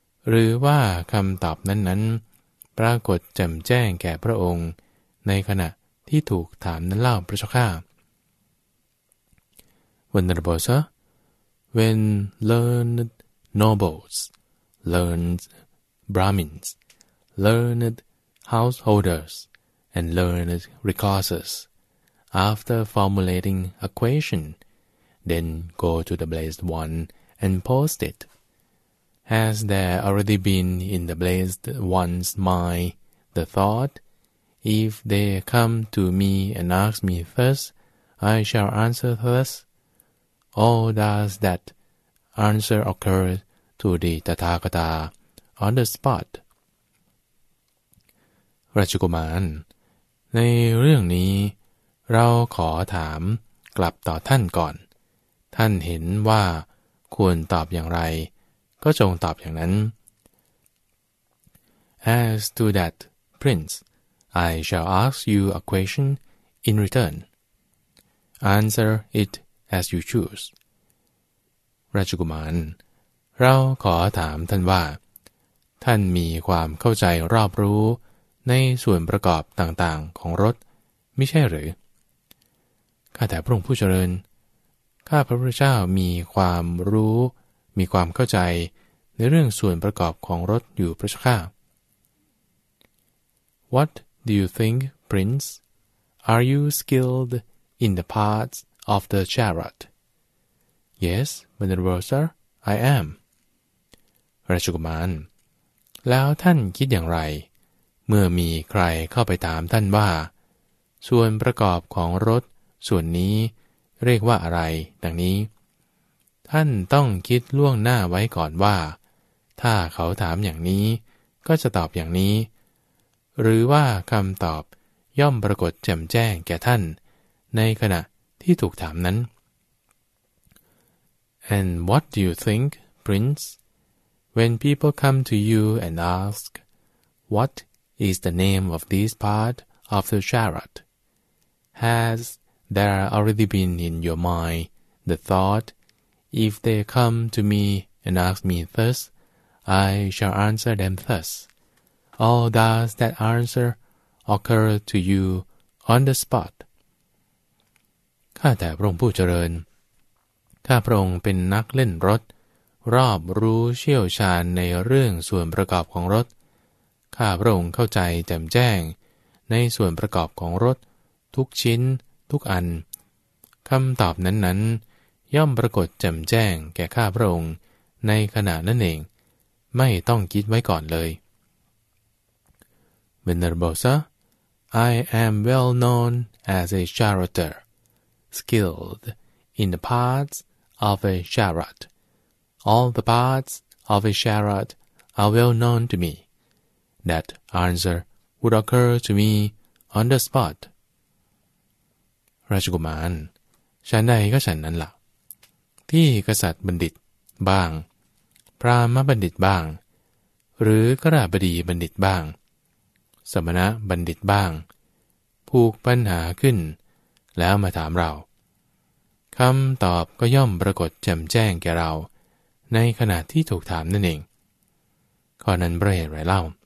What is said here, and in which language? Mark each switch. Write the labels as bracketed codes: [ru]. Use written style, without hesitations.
[th] หรือว่าคำตอบนั้นปรากฏแจ่มแจ้งแก่พระองค์ในขณะที่ถูกถามนั้นเล่าพระเจ้าข้า [en] Venerable sir, when learned nobles, learned Brahmins, learned householders, and learned recluses, after formulating a question, then go to the Blessed One and post it. Has there already been in the Blessed One's mind the thought, if they come to me and ask me thus, I shall answer thus? Or does that answer occur to the Tathagata on the spot? [th] ราชกุมารในเรื่องนี้เราขอถามกลับต่อท่านก่อนท่านเห็นว่าควรตอบอย่างไรก็จงตอบอย่างนั้น [en] As to that, Prince, I shall ask you a question in return. Answer itAs you choose. [th] ราชกุมารเราขอถามท่านว่าท่านมีความเข้าใจรอบรู้ในส่วนประกอบต่างๆของรถไม่ใช่หรือ ข้าแต่พระองค์ผู้เจริญข้าพระพุทธเจ้ามีความรู้มีความเข้าใจในเรื่องส่วนประกอบของรถอยู่พระเจ้าข้า [en] What do you think, Prince? Are you skilled in the partsOf the chariot. Yes, Venerable sir, I am. [th] ราชกุมารแล้วท่านคิดอย่างไรเมื่อมีใครเข้าไปถามท่านว่าส่วนประกอบของรถส่วนนี้เรียกว่าอะไรดังนี้ท่านต้องคิดล่วงหน้าไว้ก่อนว่าถ้าเขาถามอย่างนี้ก็จะตอบอย่างนี้หรือว่าคำตอบย่อมปรากฏแจ่มแจ้งแก่ท่านในขณะที่ถูกถามนั้น [en] And what do you think, Prince? When people come to you and ask, what is the name of this part of the chariot? Has there already been in your mind the thought, if they come to me and ask me thus, I shall answer them thus? Or does that answer occur to you on the spot? [th] ข้าแต่พระองค์ผู้เจริญข้าพระองค์เป็นนักเล่นรถรอบรู้เชี่ยวชาญในเรื่องส่วนประกอบของรถข้าพระองค์เข้าใจแจ่มแจ้งในส่วนประกอบของรถทุกชิ้นทุกอันคำตอบนั้นย่อมปรากฏแจ่มแจ้งแก่ข้าพระองค์ในขณะนั้นเองไม่ต้องคิดไว้ก่อนเลย [en] Venerable sir, I am well known as a charioteerskilled in the parts of a chariot. All the parts of a chariot are well known to me. That answer would occur to me on the spot. [th] ราชกุมารฉันใดก็ฉันนั้นล่ะที่กษัตริย์บัณฑิตบ้าง พราหมณ์บัณฑิตบ้างหรือคฤหบดีบัณฑิตบ้างสมณะบัณฑิตบ้างผูกปัญหาขึ้นแล้วมาถามเราคำตอบก็ย่อมปรากฏแจ่มแจ้งแก่เราในขณะที่ถูกถามนั่นเองข้อนั้นเพราะเหตุไรเล่า